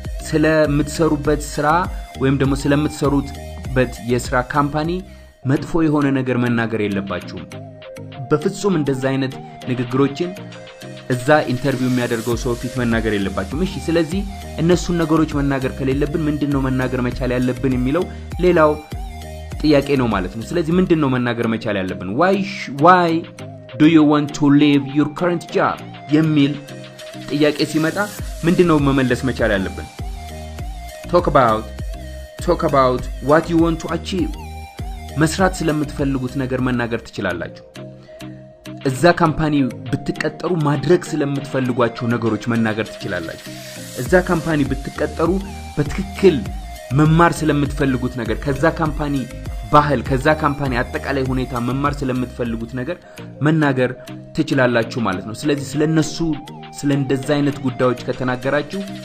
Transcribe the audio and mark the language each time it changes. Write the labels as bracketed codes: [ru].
[am] ስለምትሰሩበት ስራ ወይም ደግሞ ስለምትሰሩት በት የስራ ካምፓኒ መጥፎ የሆነ ነገር መናገር የለባችሁ በፍጹም። እንደዛ አይነት ንግግሮችን እዛ ኢንተርቪው የሚያደርገው ሰው ፊት መናገር የለባችሁም። እሺ ስለዚህ እነሱ ነገሮች መናገር ከሌለብን ምንድነው መናገር መቻል ያለብን የሚለው ሌላው ጥያቄ ነው ማለት ነው። ስለዚህ ምንድነው መናገር መቻል ያለብን? [en] why do you want to leave your current job [am] የሚል ጥያቄ ሲመጣ ምንድነው መመለስ መቻል ያለብን? [en] talk about what you want to achieve [am] መስራት ስለምትፈልጉት ነገር መናገር ትችላላችሁ። እዛ ካምፓኒ ብትቀጠሩ ማድረግ ስለምትፈልጓቸው ነገሮች መናገር ትችላላችሁ። እዛ ካምፓኒ ብትቀጠሩ በትክክል መማር ስለምትፈልጉት ነገር ከዛ ካምፓኒ ባህል ከዛ ካምፓኒ አጠቃላይ ሁኔታ መማር ስለምትፈልጉት ነገር መናገር ትችላላችሁ ማለት ነው። ስለዚህ ስለነሱ ስለ እንደዛ አይነት ጉዳዮች ከተናገራችሁ